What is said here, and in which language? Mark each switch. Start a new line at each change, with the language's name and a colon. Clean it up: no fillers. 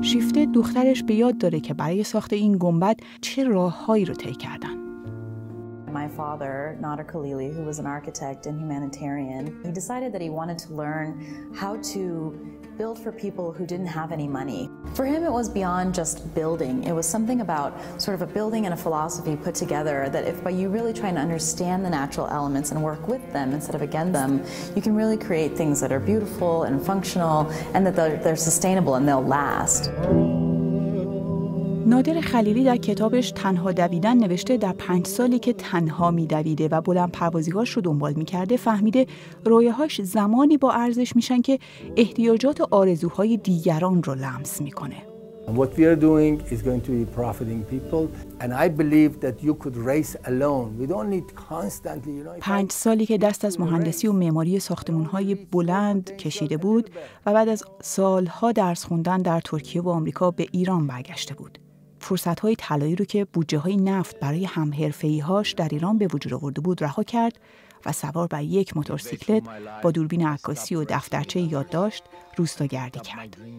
Persian: شیفته دخترش به یاد داره که برای ساخت این گنبد چه راههایی رو طی کردن.
English: My father, Nader Khalili, who was an architect and humanitarian, he decided that he wanted to learn how to build for people who didn't have any money. For him, it was beyond just building. It was something about sort of a building and a philosophy put together that if by you really trying to understand the natural elements and work with them instead of against them, you can really create things that are beautiful and functional and that they're sustainable and they'll last.
Persian: نادر خلیلی در کتابش تنها دویدن نوشته در 5 سالی که تنها می‌دویده و بلند پروازی‌هاش رو دنبال می‌کرده فهمیده رویاهاش زمانی با ارزش میشن که احتیاجات و آرزوهای دیگران رو لمس می‌کنه.
English: What we are doing is going to be profiting people and I believe that you could race alone. We don't need constantly, you know.
Persian: 5 سالی که دست از مهندسی و معماری ساختمان‌های بلند کشیده بود و بعد از سال‌ها درس خوندن در ترکیه و آمریکا به ایران برگشته بود. فرصت‌های طلایی رو که بودجه‌های نفت برای همحرفه‌ای‌هاش در ایران به وجود آورده بود رها کرد و سوار بر یک موتورسیکلت با دوربین عکاسی و دفترچه یادداشت روستاگردی کرد.